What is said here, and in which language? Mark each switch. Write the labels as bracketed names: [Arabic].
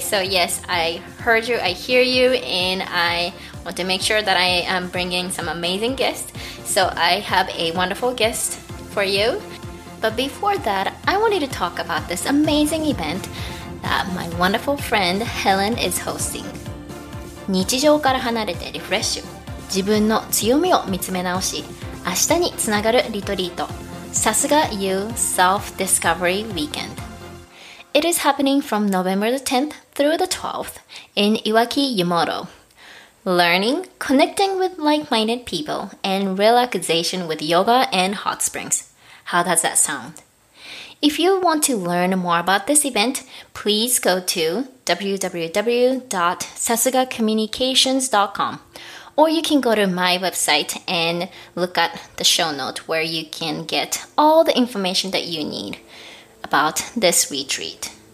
[English] So yes, I heard you, I hear you, and I want to make sure that I am bringing some amazing guests. So I have a wonderful guest for you. But before that, I wanted to talk about this amazing event that my wonderful friend Helen is hosting. [Japanese] 日常から離れてリフレッシュ、自分の強みを見つめ直し、明日につながるリトリート。 [English] さすが You Self-Discovery Weekend. It is happening from November the 10th through the 12th in Iwaki, Yamato. Learning, connecting with like-minded people, and relaxation with yoga and hot springs. How does that sound? If you want to learn more about this event, please go to www.sasugacommunications.com or you can go to my website and look at the show note where you can get all the information that you need about this retreat.